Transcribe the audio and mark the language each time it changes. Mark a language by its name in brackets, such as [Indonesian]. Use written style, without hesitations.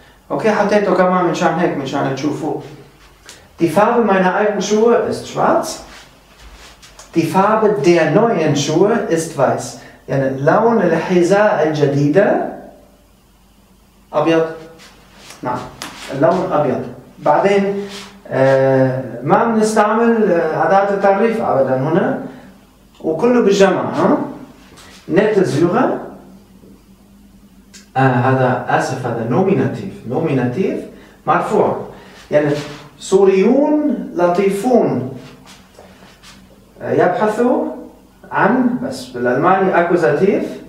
[Arabic] أوكي؟ حطيته كمان منشان هيك، منشان تشوفوه. [German] Die Farbe meiner alten Schuhe ist schwarz. Die Farbe der neuen Schuhe ist weiß. [Arabic] يعني لون الحذاء الجديدة أبيض. نعم، اللون أبيض. بعدين ما بنستعمل أداة التعريف أبدا هنا، وكله بالجمع. نت زيغة، هذا آسف، هذا نوميناتيف، نوميناتيف مرفوع، يعني سوريون لطيفون يبحثوا عن، بس بالألماني أكوزاتيف،